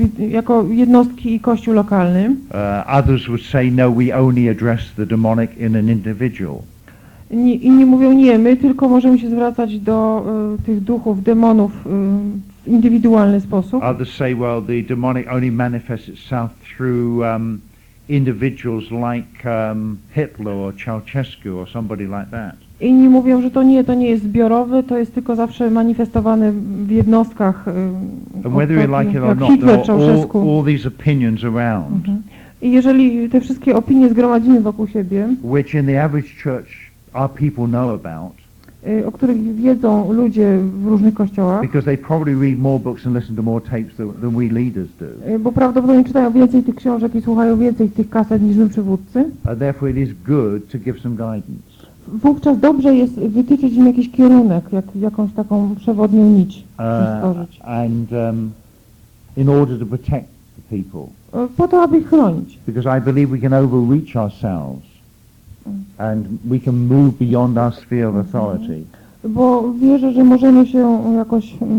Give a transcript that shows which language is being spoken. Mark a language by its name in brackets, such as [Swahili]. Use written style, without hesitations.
[Polish] Jako jednostki i kościół lokalny. [English] Others would say no, we only address the demonic in an individual. [Polish] Inni mówią, nie, my tylko możemy się zwracać do tych duchów, demonów w indywidualny sposób. [English] Others say, well, the demonic only manifests itself through individuals like Hitler or Ceausescu or somebody like that. [Polish] Inni mówią, że to nie jest zbiorowe, to jest tylko zawsze manifestowane w jednostkach. [English] And whether you like it or not, Hitler, there are all these opinions around. [Polish] I jeżeli te wszystkie opinie zgromadzimy wokół siebie, [English] which in the average church our people know about, [Polish] o których wiedzą ludzie w różnych kościołach, [English] because they probably read more books and listen to more tapes than we leaders do. [Polish] Bo prawdopodobnie czytają więcej tych książek i słuchają więcej tych kaset niż my przywódcy. [English] Therefore it is good to give some guidance. [Polish] Wówczas dobrze jest wytyczyć im jakiś kierunek, jakąś taką przewodnią nić stworzyć. [English] In order to protect the people. [Polish] Po to, aby ich chronić. [English] Because I believe we can overreach ourselves. And we can move beyond our sphere of authority. [Polish] Bo wierzę, że możemy się jakoś